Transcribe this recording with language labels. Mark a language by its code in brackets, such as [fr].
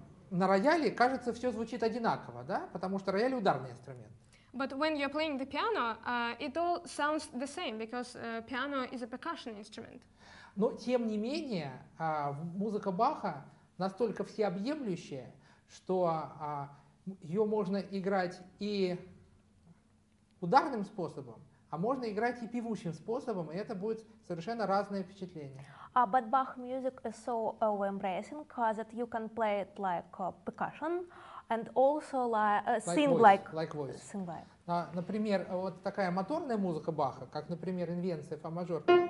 [ru] На рояле, кажется, все звучит одинаково, да? Потому что рояль — ударный инструмент. [en] But when you're playing the piano, it all sounds the same, because piano is a percussion instrument. [ru] Но, тем не менее, музыка Баха настолько всеобъемлющая, что ее можно играть и ударным способом, а можно играть и певучим способом, и это будет совершенно разное впечатление. [en] But Bach music is so embracing that you can play it like percussion and also sing like voice. [ru] Например, вот такая моторная музыка Баха, как, например, инвенция фа мажор.